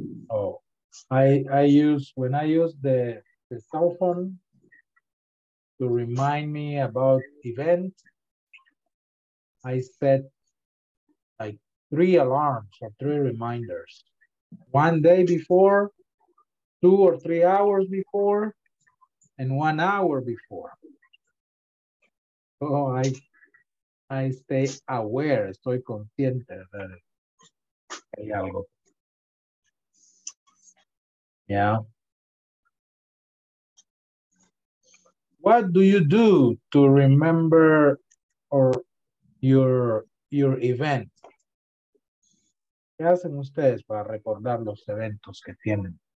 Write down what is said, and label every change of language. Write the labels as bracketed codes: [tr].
[en] Oh, I use the cell phone to remind me about events. I set like three alarms or three reminders. One day before, 2 or 3 hours before, and 1 hour before. So I stay aware, [es] estoy consciente de algo. [en] Yeah. What do you do to remember or your event? [es] ¿Qué hacen ustedes para recordar los eventos que tienen?